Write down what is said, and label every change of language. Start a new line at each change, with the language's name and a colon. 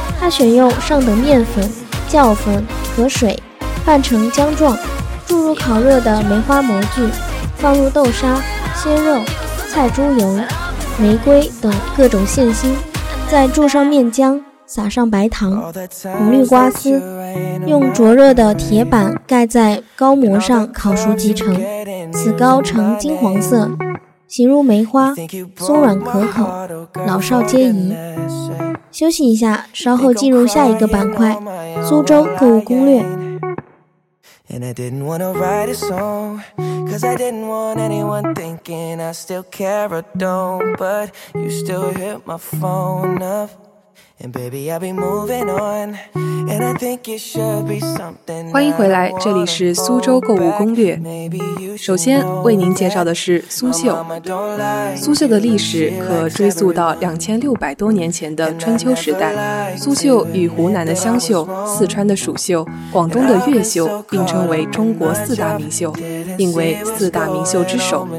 Chinese: 它选用上等面粉、酵粉和水拌成浆状，注入烤热的梅花模具，放入豆沙、鲜肉、菜猪油、玫瑰等各种馅心，再注上面浆，撒上白糖、红绿瓜丝，用灼热的铁板盖在糕模上烤熟即成。此糕呈金黄色，形如梅花，松软可口，老少皆宜。休息一下，稍后进入下一个板块，苏州购物攻略。
English: And I didn't want to write a song, 'cause I didn't want anyone thinking I still care or don't, but you still hit my phone up, and baby I'll be moving on, and I think it should be something.
Chinese: 欢迎回来，这里是苏州购物攻略。首先为您介绍的是苏绣。苏绣的历史可追溯到2600多年前的春秋时代。苏绣与湖南的湘绣、四川的蜀绣、广东的粤绣并称为中国四大名绣，并为四大名绣之首。